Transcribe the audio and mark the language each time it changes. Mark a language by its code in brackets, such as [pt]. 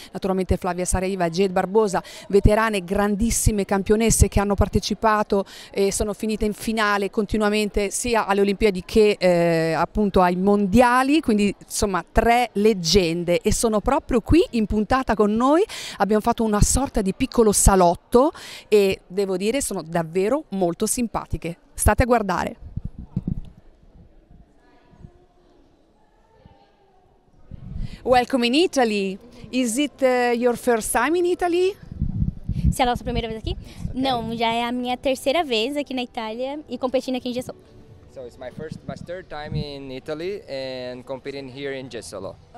[it] Naturalmente Flavia Saraiva e Jed Barbosa, veterane, grandissime campionesse che hanno partecipato e sono finite in finale continuamente sia alle Olimpiadi che appunto ai mondiali, quindi insomma tre leggende, e sono proprio qui in puntata con noi. Abbiamo fatto una sorta di piccolo salotto e devo dire sono davvero molto simpatiche, state a guardare. [en] Welcome in Italy, is it your first time in Italy? [pt] Se é a nossa primeira vez aqui? Okay. Não, já é a minha terceira vez aqui na Itália e competindo aqui em Gesso. [en] So it's my first, my third time in Italy and competing here in Gesso.